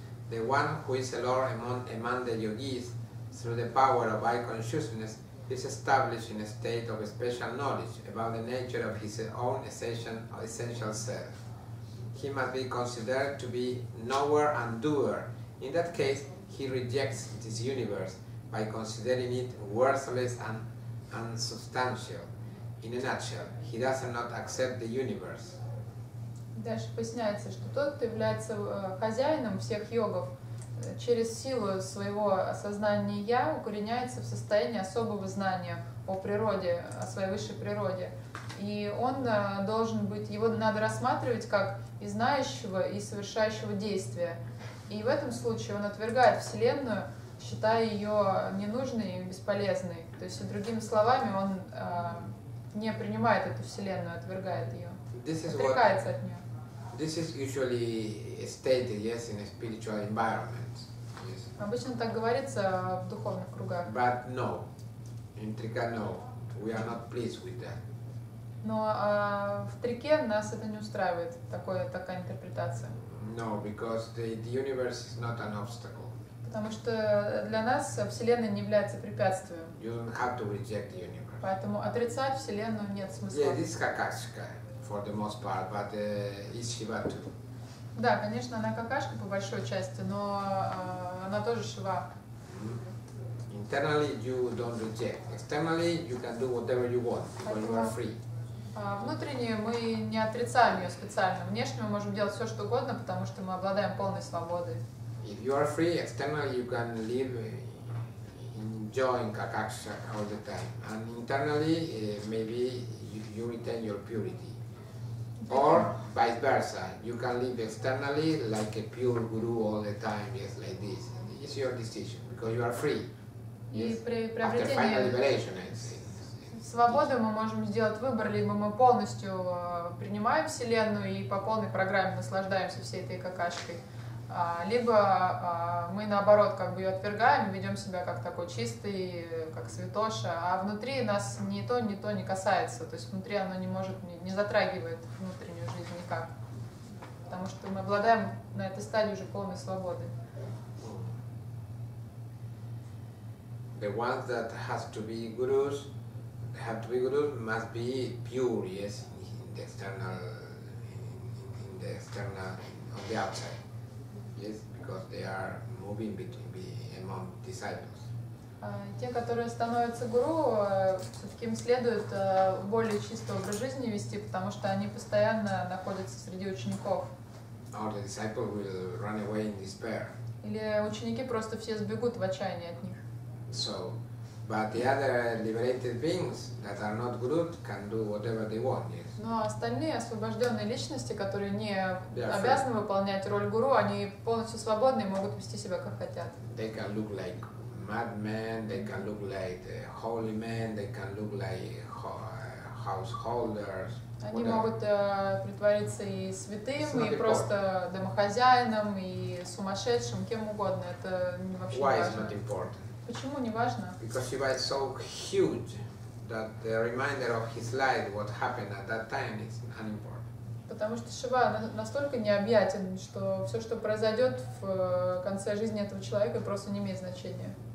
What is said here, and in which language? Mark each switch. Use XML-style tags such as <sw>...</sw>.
<en>The one who is a lord among the yogis through the power of eye consciousness is established in a state of special knowledge about the nature of his own essential self. He must be considered to be knower and doer. In that case, he rejects this universe by considering it worthless and unsubstantial. In a nutshell, he does not accept the universe.</en> <ru>Дальше поясняется, что тот, кто является хозяином всех йогов, через силу своего осознания «я» укореняется в состоянии особого знания о природе, о своей высшей природе. И он должен быть, его надо рассматривать как и знающего, и совершающего действия. И в этом случае он отвергает Вселенную, считая ее ненужной и бесполезной. То есть, другими словами, он не принимает эту Вселенную, отвергает ее, отрекается от нее.</ru> <en>This is usually stated, yes, in a spiritual environment. Yes.</en> <ru>Обычно так говорится в духовных кругах.</ru> <en>But no, in Trika, no, we are not pleased with that.</en> <ru>Но в Трике нас это не устраивает, такая интерпретация.</ru> <en>No, because the universe is not an obstacle.</en> <ru>Потому что для нас Вселенная не является препятствием.</ru> <en>You don't have to reject the universe.</en> <ru>Поэтому отрицать Вселенную нет смысла.</ru> <en>Yeah, this is Kakashika. For the most part, but is Shiva too.</en> <ru>Да, конечно, она какашка по большой части, но она тоже Шива.</ru> <en>Internally you don't reject. Externally you can do whatever you want, because you are free.</en> <ru>Внутренне мы не отрицаем ее специально. Внешне мы можем делать все, что угодно, потому что мы обладаем полной свободой.</ru> <en>If you are free, externally you can live enjoying какашка all the time. And internally maybe you retain your purity. Or vice versa, you can live externally like a pure guru all the time, yes, like this. And it's your decision because you are free. Yes. After final liberation,</en> <ru>свободы мы можем сделать выбор, либо мы полностью принимаем Вселенную и по полной программе наслаждаемся всей этой какашкой, либо мы наоборот как бы ее отвергаем, ведем себя как такой чистый, как святоша, а внутри нас ни то не касается, то есть внутри оно не может, не затрагивает внутреннюю жизнь никак, потому что мы обладаем на этой стадии уже полной свободы.</ru> <en>The ones that has to be gurus, have to be gurus, must be pure, yes, in the external, in the external, on the outside. Yes, because they are moving between among disciples.</en> <ru>Те, которые становятся гуру, все-таки им следует более чистый образ жизни вести, потому что они постоянно находятся среди учеников.</ru> <en>Or the disciple will run away in despair.</en> <ru>Или ученики просто все сбегут в отчаянии от них.</ru> <en>So, but the other liberated beings that are not guru can do whatever they want. Yes.</en> <ru>Но остальные освобожденные личности, которые не обязаны выполнять роль гуру, они полностью свободны и могут вести себя как хотят.</ru> <en>They can look like madmen, they can look like holy men, they can look like householders.</en> <ru>Они могут притвориться и святым, и просто домохозяином, и сумасшедшим, кем угодно. Это вообще</ru> <en>Why</en> <ru>не важно.</ru> <en>Is not important?</en> <ru>Почему не важно?</ru> <en>Because Shiva is so huge that the reminder of his life, what happened at that time, is unimportant.</en> <ru>Потому что Шива настолько необъятен, что все, что произойдет в конце жизни этого человека, просто не имеет значения.</ru>